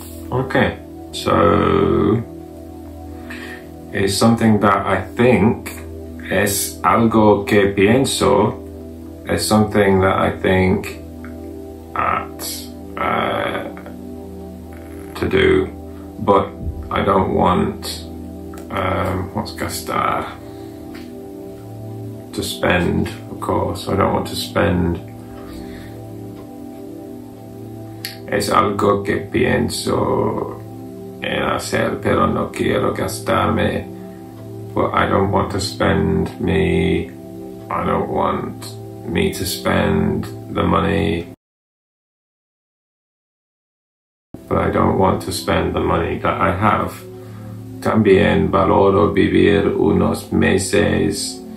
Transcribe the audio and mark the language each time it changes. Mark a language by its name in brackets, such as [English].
[English] Okay, so is something that I think, [Spanish] es algo que pienso, [English] is something that I think at to do, but I don't want, what's gastar? To spend, of course, I don't want to spend. [Spanish] Es algo que pienso en hacer, pero no quiero gastarme. [English] But I don't want to spend me. I don't want me to spend the money. But I don't want to spend the money that I have. [Spanish] También valoro vivir unos meses.